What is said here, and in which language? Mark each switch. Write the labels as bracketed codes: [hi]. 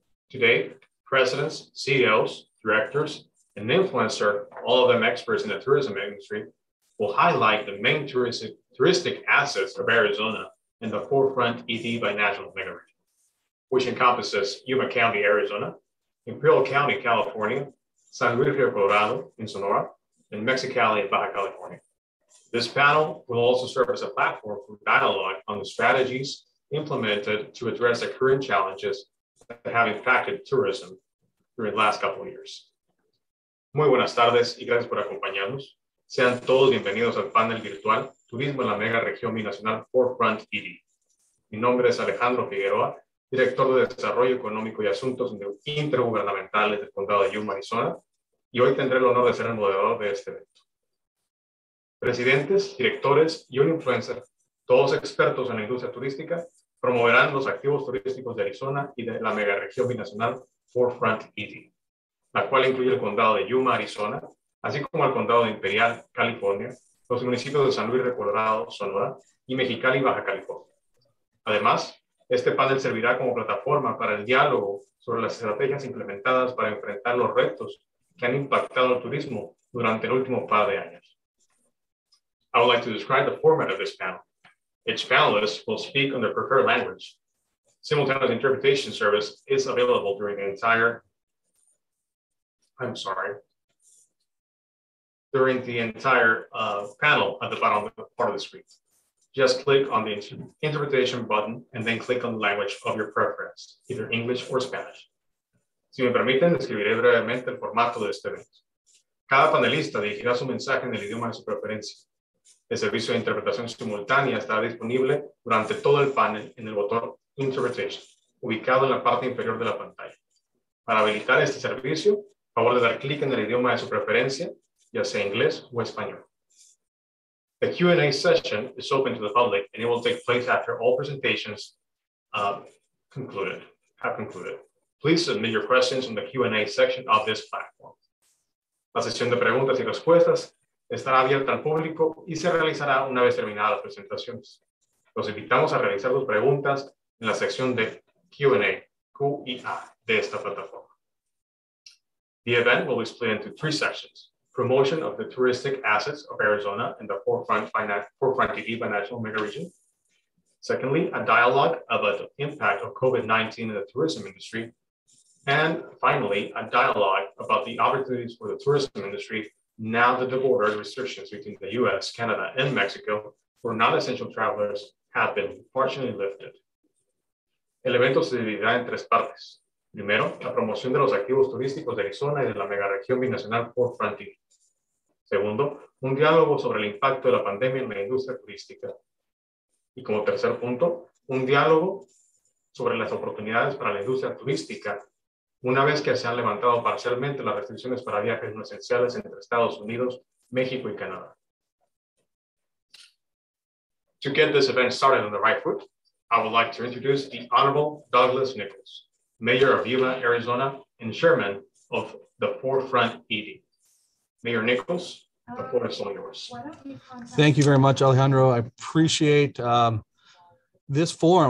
[en] Today, presidents, CEOs, directors, and influencers, all of them experts in the tourism industry, will highlight the main touristic assets of Arizona in the Forefront ED by National Megaregion, which encompasses Yuma County, Arizona, Imperial County, California, San Luis Rio Colorado in Sonora, and Mexicali in Baja California. This panel will also serve as a platform for dialogue on the strategies implemented to address the current challenges that have impacted tourism during the last couple of years. [es] Muy buenas tardes y gracias por acompañarnos. Sean todos bienvenidos al panel virtual Turismo en la Mega Región Binacional Forefront ED. Mi nombre es Alejandro Figueroa, Director de Desarrollo Económico y Asuntos Intergubernamentales del Condado de Yuma, Arizona, y hoy tendré el honor de ser el moderador de este evento. Presidentes, directores y un influencer, todos expertos en la industria turística, promoverán los activos turísticos de Arizona y de la Mega Región Binacional Forefront ED, la cual incluye el Condado de Yuma, Arizona, así como el Condado de Imperial, California, los municipios de San Luis Rio Colorado, Sonora, y Mexicali, Baja California. Además, este panel servirá como plataforma para el diálogo sobre las estrategias implementadas para enfrentar los retos que han impactado el turismo durante el último par de años. [en] I would like to describe the format of this panel. Each panelist will speak on their preferred language. Simultaneous interpretation service is available during the entire... During the entire panel at the bottom of the part of the screen. Just click on the interpretation button and then click on the language of your preference, either English or Spanish. [es] Si me permiten, describiré brevemente el formato de este evento. Cada panelista dirigirá su mensaje en el idioma de su preferencia. El servicio de interpretación simultánea estará disponible durante todo el panel en el botón Interpretation, ubicado en la parte inferior de la pantalla. Para habilitar este servicio, favor de dar clic en el idioma de su preferencia, ya sea inglés o español. [en] The Q&A session is open to the public and it will take place after all presentations have concluded. Please submit your questions in the Q&A section of this platform. [es] La sesión de preguntas y respuestas estará abierta al público y se realizará una vez terminadas las presentaciones. Los invitamos a realizar sus preguntas en la sección de Q&A de esta plataforma. [en] The event will be split into three sections. Promotion of the touristic assets of Arizona in the Forefront DD by National Megaregion. Secondly, a dialogue about the impact of COVID-19 in the tourism industry. And finally, a dialogue about the opportunities for the tourism industry now that the border restrictions between the US, Canada, and Mexico for non-essential travelers have been partially lifted. [es] El evento se dividirá en tres partes. Primero, la promoción de los activos turísticos de Arizona y de la Megaregión Binacional Forefront DD. Segundo, un diálogo sobre el impacto de la pandemia en la industria turística. Y como tercer punto, un diálogo sobre las oportunidades para la industria turística una vez que se han levantado parcialmente las restricciones para viajes no esenciales entre Estados Unidos, México y Canadá. [en] To get this event started on the right foot, I would like to introduce the Honorable Douglas Nichols, Mayor of Yuma, Arizona, and Chairman of the Forefront ED. Mayor Nichols, the floor is all yours. Thank you very much, Alejandro. I appreciate this forum.